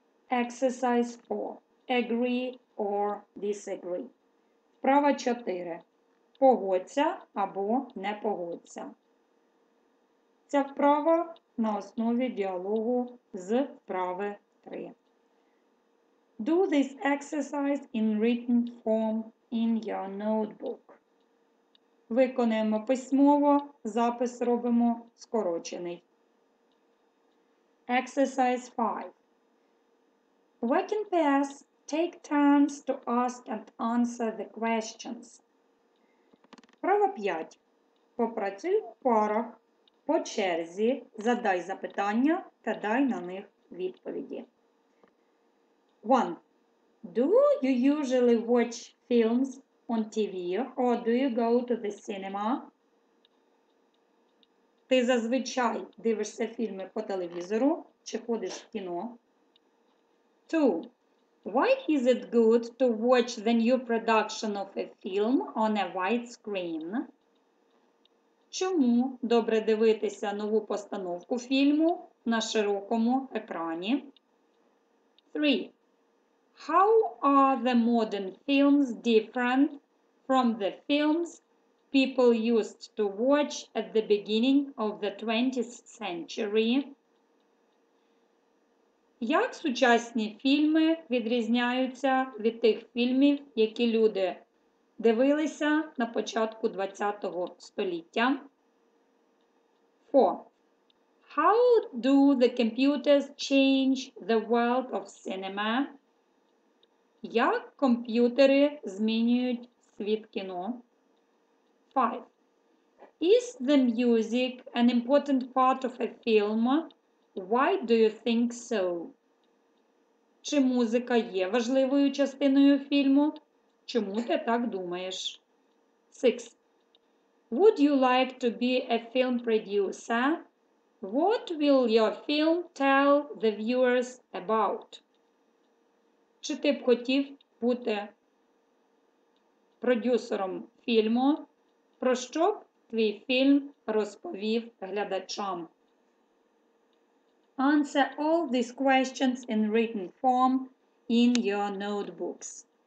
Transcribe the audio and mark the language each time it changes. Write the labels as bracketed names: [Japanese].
[English] Exercise 4. Agree or disagree. [Ukrainian] Вправа 4. Погодься або не погодься. Ця вправа на основі діалогу з вправи 3. [English] Do this exercise in written form in your notebook. [Ukrainian] Виконуємо письмово, запис робимо скорочений. [English] Exercise 5. Working pairs take turns to ask and answer the questions. [Ukrainian] Вправа 5. Попрацюй в парах. По черзі задай запитання та дай на них відповіді. [English] 1. Do you usually watch films on TV or do you go to the cinema? [Ukrainian] Ти зазвичай дивишся фільми по телевізору чи ходиш в кіно? [English] 2. Why is it good to watch the new production of a film on a widescreen? [Ukrainian] Чому добре дивитися нову постановку фільму на широкому екрані? [English] 3. How are the modern films different from the films people used to watch at the beginning of the 20th century? [Ukrainian] Як сучасні фільми відрізняються від тих фільмів, які люди дивилися на початку 20-го століття? [English] 4. How do the computers change the world of cinema? [Ukrainian] Як комп'ютери змінюють світ кіно? [English] 5. Is the music an important part of a film? Why do you think so? [Ukrainian] Чи музика є важливою частиною фільму? Чому ти так думаєш? 6. [English] Would you like to be a film producer? What will your film tell the viewers about? [Ukrainian] Чи ти б хотів бути продюсером фільму? Про що б твій фільм розповів глядачам? [English] Answer all these questions in written form in your notebooks.